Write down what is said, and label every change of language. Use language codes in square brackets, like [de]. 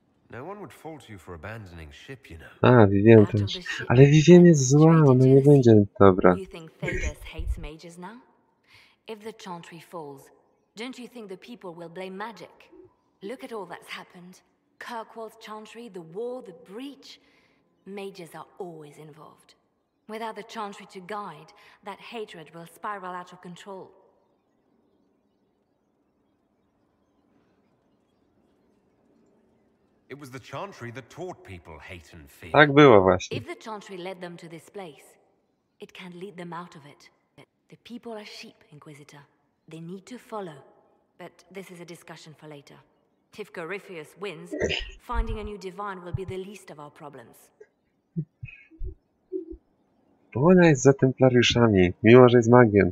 [en] No one would fault you for abandoning ship, you know. [pl] A, Vivien też. Ale Vivien jest zła, ona nie będzie dobra. [en] You think Thedas hates mages now? If the Chantry falls, don't you think the people will blame magic? Look at all that's happened. Kirkwall's Chantry, the war, the breach. Mages are always involved. Without the Chantry to guide, that hatred will spiral out of control. It was the Chantry that taught people hate and fear. [pl] Tak było właśnie. [en] If the Chantry led them to this place, it can lead them out of it. The people are sheep, Inquisitor. They need to follow. But this is a discussion for later. If Corypheus wins, finding a new divine will be the least of our problems. [pl] Bo ona jest za templariuszami, mimo że jest magiem.